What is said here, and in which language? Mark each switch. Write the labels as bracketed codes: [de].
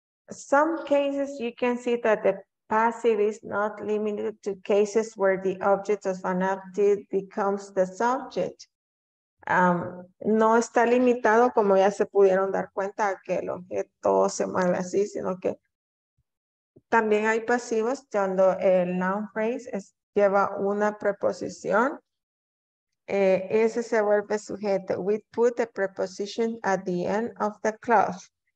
[en] Some cases you can see that the passive is not limited to cases where the object of an active becomes the subject. [es] No está limitado, como ya se pudieron dar cuenta, a que el objeto se mueve así, sino que también hay pasivos donde el noun phrase es, lleva una preposición. Ese se vuelve sujeto. [en] We put the preposition at the end of the clause.